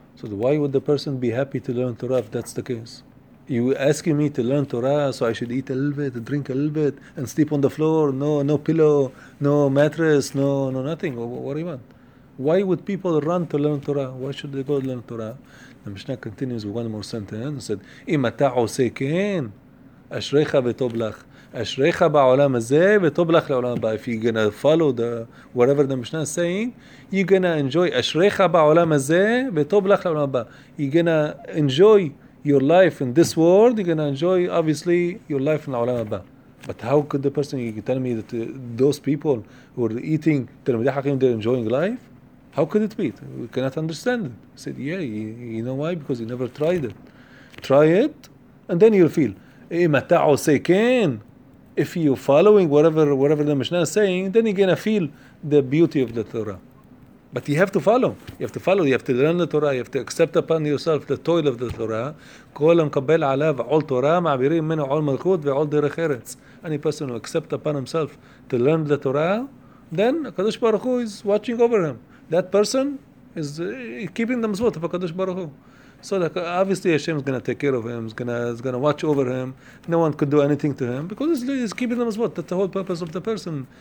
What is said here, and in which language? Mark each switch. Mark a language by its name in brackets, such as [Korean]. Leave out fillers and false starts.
[English] So why would the person be happy to learn Torah if that's the case? You asking me to learn Torah, so I should eat a little bit, drink a little bit, and sleep on the floor? No pillow, no mattress, no nothing. What do you want? Why would people run to learn Torah? Why should they go to learn Torah? The Mishnah continues with one more sentence. It said, [Hebrew] "Imata oseken, אשריך וטוב לך. אשריך בעולם הזה וטוב לך לעולם הבא. [English] If you're gonna follow the whatever the Mishnah is saying, you're gonna enjoy [Hebrew] אשריך בעולם הזה וטוב לך לעולם הבא. [English] You're gonna enjoy your life in this world, you're gonna enjoy obviously your life in העולם הבא. But how could the person, you tell me that those people who are eating תלמידי חכמים, they're enjoying life? How could it be? We cannot understand it. I said, yeah, you know why? Because you never tried it. Try it, and then you'll feel. [Hebrew] אם אתה עושה כן, [English] if you're following whatever the Mishnah is saying, then you're going to feel the beauty of the Torah. But you have to follow. You have to follow. You have to learn the Torah. You have to accept upon yourself the toil of the Torah. [Hebrew] כל המקבל עליו, עול תורה, מעבירים ממנו עול מלכות ועול דרך ארץ. [English] Any person who accept upon himself to learn the Torah, then הקדוש ברוך הוא is watching over him. That person is keeping the mitzvot of HaKadosh Baruch Hu. So obviously Hashem is going to take care of him, is going to watch over him. No one could do anything to him because he's keeping the mitzvot. That's the whole purpose of the person.